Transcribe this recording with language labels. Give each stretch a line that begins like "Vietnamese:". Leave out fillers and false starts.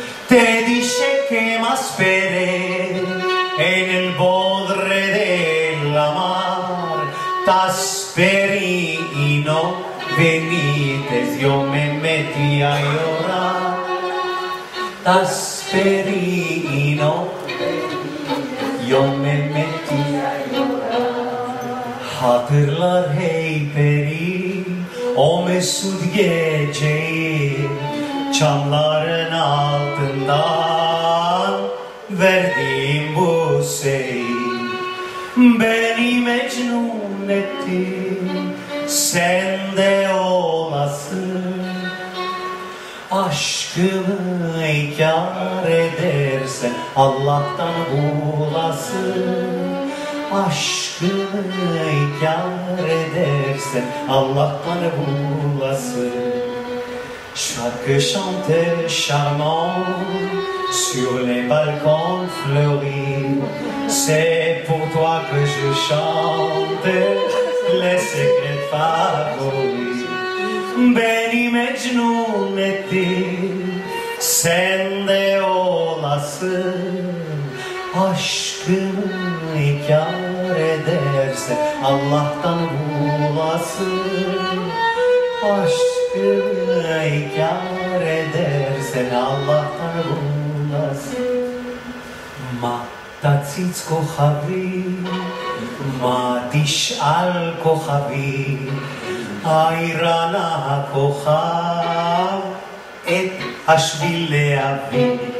Spanish: Te dije que más esperé en el bodre de la mar, te esperé y no venites, yo me metí a llorar, te esperé y no venites, yo me metí a llorar.
Turkish: Hatırlar hey peri, o mesut geceyi, çamların altından verdiğim bu seyi, beni mecnun etti. Sen de olasın, aşkımı inkar edersen Allah'tan bulasın, aşkımı inkar edersen Allah'tan bulasın.
French: Chaque chante charmant sur les balcons fleuris, c'est pour toi que je chante les secrets favoris.
Turkish: Beni mecnun etti, sen de olasın. Aşkımı inkar ederse Allah'tan bulasın. Aşkımı inkar ederse Allah'tan bulasın.
Hebrew: תציץ כוכבי, מה תשאל כוכבי, איירנה הכוכב, את השביל לאבי.